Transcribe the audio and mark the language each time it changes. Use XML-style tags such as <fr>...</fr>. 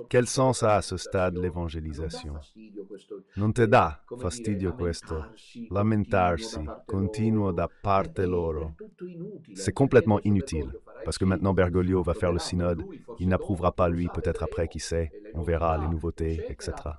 <fr>Quel sens a à ce stade l'évangélisation?</fr> <it>Non te da fastidio questo, lamentarsi, continuo da parte loro.</it> <fr>C'est complètement inutile. Parce que maintenant Bergoglio va faire le synode, il n'approuvera pas lui, peut-être après, qui sait, on verra les nouveautés, etc.</fr>